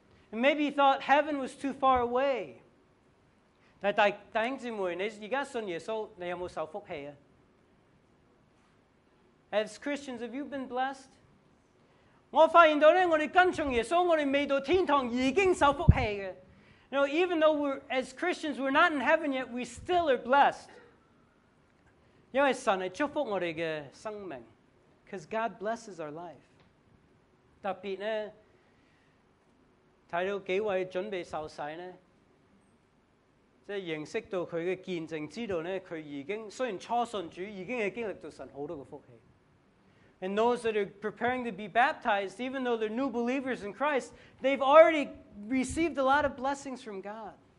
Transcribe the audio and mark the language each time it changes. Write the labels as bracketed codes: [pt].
[en] and maybe he thought heaven was too far away. [zh] 但弟兄姊妹，你現在信耶穌，你有沒有受福氣啊? [en] As Christians, have you been blessed? [zh] 我發現到我們跟從耶穌，我們未到天堂已經受福氣了。 [en] You know, even though we're as Christians, we're not in heaven yet, we still are blessed. [zh] 因為神祝福我們的生命, [en] because God blesses our life. [zh] 特別呢, 看到幾位準備受洗呢, 即是認識到他的見證, 知道呢, 他已經, 雖然初信主已經經歷到神很多的福氣。 [en] And those that are preparing to be baptized, even though they're new believers in Christ, they've already received a lot of blessings from God.